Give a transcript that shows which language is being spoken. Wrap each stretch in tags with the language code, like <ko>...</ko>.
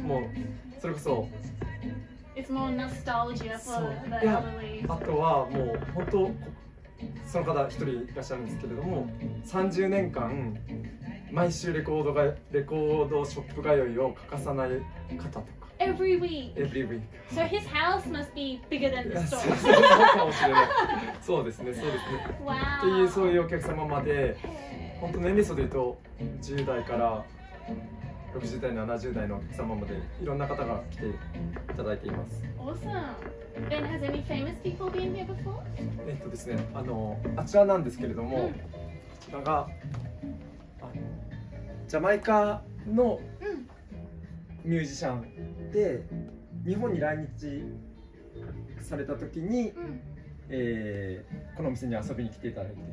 <ja>もうそれこそ</ja> <en>It's more nostalgia for the elderly.</en> <ja>いやあとはもう本当その方一人いらっしゃるんですけれども30年間毎週レコードショップ通いを欠かさない方とか</ja> <en>Every week. So his house must be bigger than the store.</en> <ja>そうかもしれない。そうですね、そうですね。</ja> <en>Wow.</en> <ja>っていうそういうお客様まで。本当年齢層で言うと10代から60代70代のお客様までいろんな方が来ていただいています。</ja> <en>Awesome. Then has any famous people been here before?</en> <ja>ですね、あのあちらなんですけれども、うん、こちらがあジャマイカのミュージシャンで、うん、日本に来日された時に。うんこの店に遊びに来ていただいて、</ja>